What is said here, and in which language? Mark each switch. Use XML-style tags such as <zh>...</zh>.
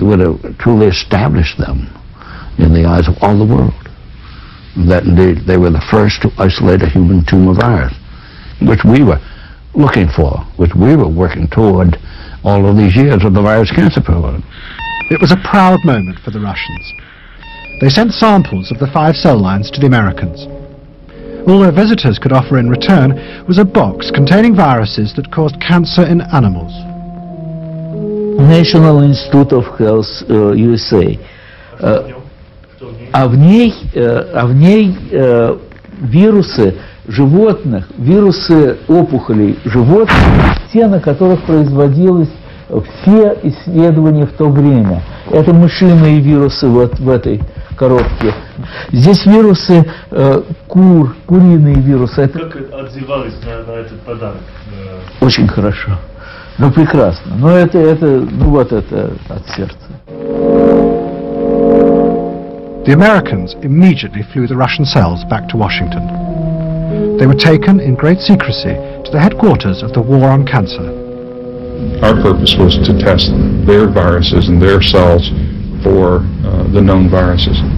<en>It would have truly established them in the eyes of all the world, that indeed they were the first to isolate a human tumor virus, which we were looking for, which we were working toward all of these years of the virus cancer program. It was a proud moment for the Russians. They sent samples of the five cell lines to the Americans. All their visitors could offer in return was a box containing viruses that caused cancer in animals. National Institute of Health, USA.</en> <ru>В ней вирусы животных, вирусы опухолей животных, те, на которых производилось все исследования в то время. Это мышиные вирусы вот в этой коробке. Здесь вирусы кур, куриные вирусы. Это... Как отзывались на этот подарок? Очень хорошо. Ну, прекрасно. Но это, ну вот это от сердца.</ru> <en>The Americans immediately flew the Russian cells back to Washington. They were taken in great secrecy to the headquarters of the War on Cancer. Our purpose was to test their viruses and their cells for the known viruses.</en>